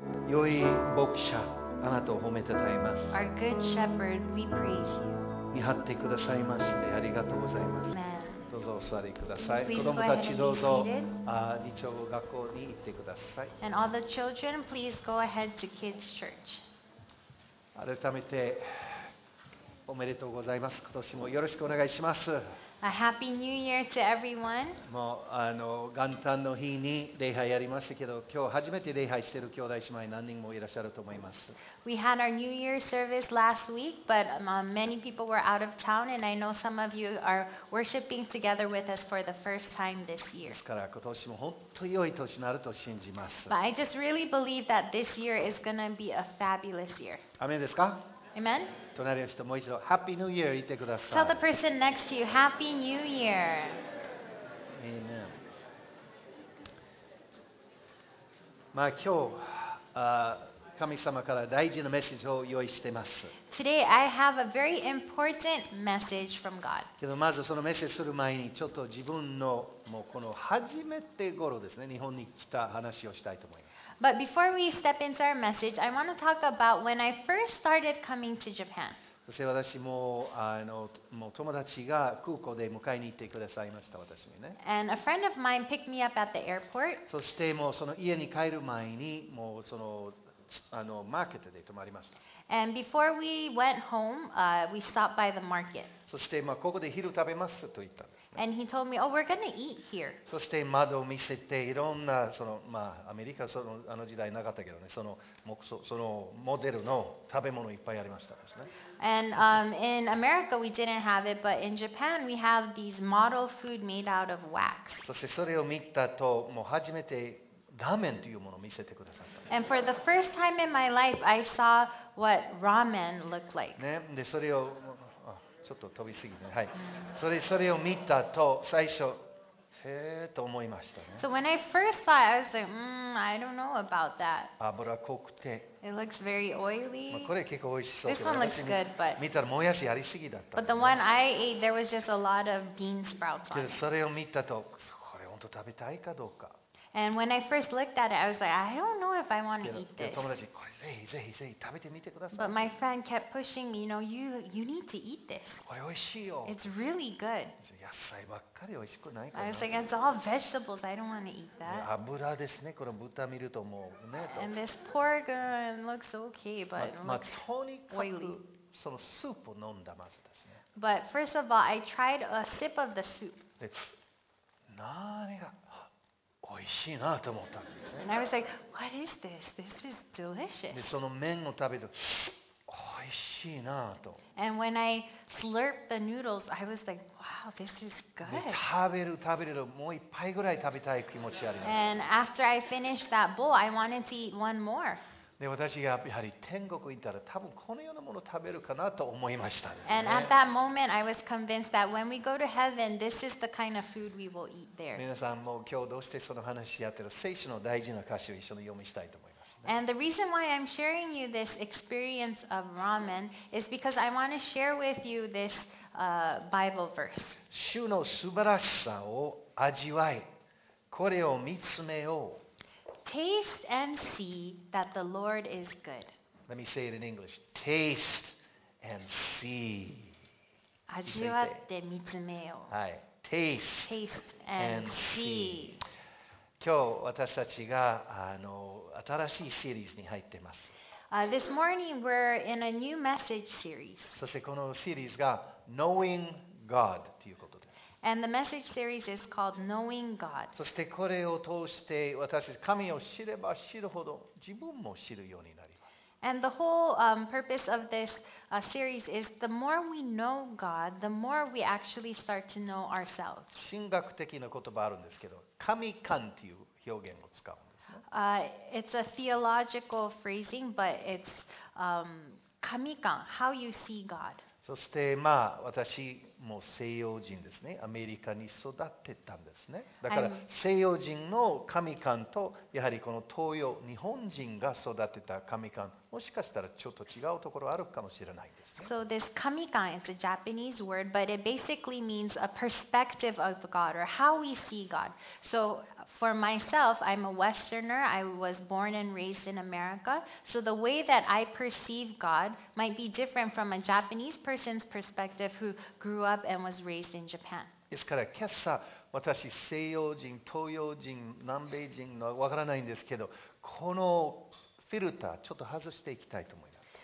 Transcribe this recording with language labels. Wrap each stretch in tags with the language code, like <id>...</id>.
<ja>良い牧者、あなたを褒めてたいます。</ja> <en>Our good shepherd, we praise you.</en> <ja>見張ってくださいましてありがとうございます。どうぞお座りください。子どもたちどうぞ日曜学校に行ってください。</ja> <en>And all the children, please go ahead to kids' church.</en> <ja>改めておめでとうございます。今年もよろしくお願いします。</ja> <en>A happy new year to everyone.</en> <ja>もう元旦の日に礼拝やりましたけど、今日初めて礼拝している兄弟姉妹何人もいらっしゃると思います。</ja> <en>We had our new year service last week, but many people were out of town, and I know some of you are worshiping together with us for the first time this year.</en> <ja>ですから今年も本当に良い年になると信じます。</ja> <en>But I just really believe that this year is going to be a fabulous year.</en> <ja>アメンですか？</ja> <en>Amen.</en> <ja>隣の人もう一度</ja> <en>Happy New Year</en> <ja>言ってください。</ja> <en>Tell the person next to you Happy New Year. Amen.</en> <ja>まあ今日神様から大事なメッセージを用意しています。</ja> <en>Today I have a very important message from God.</en> <ja>けどまずそのメッセージする前にちょっと自分のもうこの初めて頃ですね、日本に来た話をしたいと思います。</ja> <en>But before we step into our message, I want to talk about when I first started coming to Japan.</en> <ja>そして私も、もう友達が空港で迎えに行ってくださいました、私にね。</ja> <en>And a friend of mine picked me up at the airport.</en> <ja>そしてもうその家に帰る前に、もうその、マーケットで泊まりました。</ja> <en>And before we went home, we stopped by the market.</en> <ja>そしてまあここで昼食べますと言ったんですね。</ja> <en>And he told me, oh, we're going to eat here.</en> <ja>そして窓を見せて、いろんなそのまあアメリカそのあの時代なかったけどね、そのモデルの食べ物いっぱいありましたですね。</ja> <en>And in America we didn't have it, but in Japan we have these model food made out of wax.</en> <ja>そしてそれを見たと、もう初めてラーメンというものを見せてくださった。</ja> <en>And for the first time in my life, I saw what ramen looked like.</en> <ja>ね、でそれをちょっと飛びすぎて、はい。それを見たと最初へーと思いましたね。</ja> <en>So when I first saw it, I was like, I don't know about that.</en> <ja>油濃くて。</ja> <en>It looks very oily.</en> <ja>これ結構美味しそう。</ja> <en>This one looks good, but</en> <ja>見たらもやしやりすぎだった。</ja> <en>But the one I ate, there was just a lot of bean sprouts on it.</en> <ja>それを見たとこれ本当食べたいかどうか。</ja> <en>And when I first looked at it, I was like, I don't know if I want to eat this.</en> <ja>友達、これぜひぜひぜひ食べてみてください。</ja> <en>But my friend kept pushing me, you know, you need to eat this.</en> <ja>これ美味しいよ。</ja> <en>It's really good.</en> <ja>野菜ばっかり美味しくないかな。</ja> <en>I was like, it's all vegetables. I don't want to eat that.</en> <ja>油ですね。この豚見るともうね。</ja> <en>And this pork looks okay, but looks oily.</en> <ja>まあ、とにかくそのスープを飲んだまずですね。</ja> <en>But first of all, I tried a sip of the soup.</en> <ja>何が美味しいなと思った。</ja> <en>And I was like, what is this? This is delicious.</en> <ja>で、その麺を食べると、美味しいなと。</ja> <en>And when I slurped the noodles, I was like, wow, this is good.</en> <ja>食べるもういっぱいぐらい食べたい気持ちあります。</ja> <en>And after I finished that bowl, I wanted to eat one more.</en> <ja>で、私がやはり天国に行ったら、多分このようなものを食べるかなと思いましたね。</ja> <en>And at that moment, I was convinced that when we go to heaven, this is the kind of food we will eat there.</en> <ja>皆さんも今日どうしてその話やってる聖書の大事な箇所を一緒に読みしたいと思います、ね。</ja> <en>And the reason why I'm sharing you this experience of ramen is because I want to share with you this Bible verse.</en> <ja>主の素晴らしさを味わい、これを見つめよう。</ja> <en>Taste and see that the Lord is good. Let me say it in English. Taste and see.</en> <ja>味わって見つめよう。はい。</ja> <en>Taste. Taste and see.</en> <ja>今日私たちが新しいシリーズに入ってます。</ja> <en>This morning we're in a new message series.</en> <ja>そしてこのシリーズが</ja> <en>Knowing God</en> <ja>ということです。</ja> <en>And the message series is called Knowing God.</en> <ja>そしてこれを通して私たち神を知れば知るほど自分も知るようになります。</ja> <en>And the whole purpose of this series is the more we know God, the more we actually start to know ourselves.</en> <ja>神学的な言葉あるんですけど、神観という表現を使うんですね。</ja> <en>It's a theological phrasing, but it's 神観, how you see God.</en> <ja>そしてまあ私もう西洋人ですね、アメリカに育ってたんですね。だから西洋人の神観とやはりこの東洋日本人が育てた神観、もしかしたらちょっと違うところあるかもしれないですね。</ja> <en>So this 神観 is a Japanese word, but it basically means a perspective of God or how we see God. So for myself, I'm a Westerner. I was born and raised in America. So the way that I perceive God might be different from a Japanese person's perspective who grew up and was raised in Japan.</en> <ja>ですから今朝、私西洋人、東洋人、南米人のわからないんですけど、このフィルターちょっと外していきたいと思います。</ja>